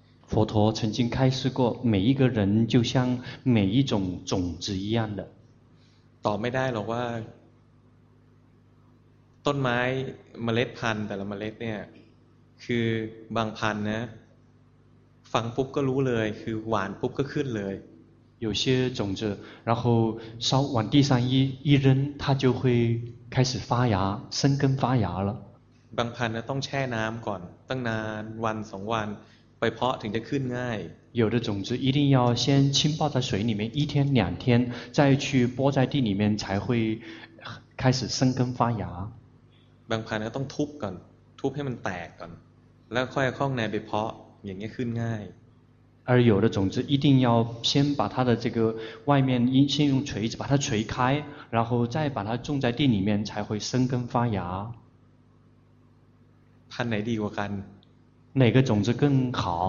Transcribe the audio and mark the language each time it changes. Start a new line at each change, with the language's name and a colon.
Chinese: 佛陀曾经开示过每一个人就像每一种种子一样的
Thai: ตอบไม่ได้หรอกว่าต้นไม้เมล็ดพันธุ์แต่ละเมล็ดเนี่ยคือบางพันธุ์นะฟังปุ๊บก็รู้เลยคือหวานปุ๊บก็ขึ้นเลย
Chinese: 有些种子然后稍往地上一扔它就会开始发芽生根发芽了
Thai: บางพันธุ์ต้องแช่น้ำก่อนตั้งนานวันสองวันไปเพาะถึงจะขึ้นง่าย
Chinese: 有的种子一定要先浸泡在水里面一天两天再去播在地里面才会开始生根发芽
Thai: บางพันธุ์ต้องทุบก่อนทุบให้มันแตกก่อนแล้วค่อยคล่องแนไปเพาะอย่างนี้ขึ้นง่าย
Chinese: 而有的种子一定要先把它的这个外面先用锤子把它锤开然后再把它种在地里面才会生根发芽
Thai: พันไหนดีกว่ากัน
Chinese: 哪个种子更好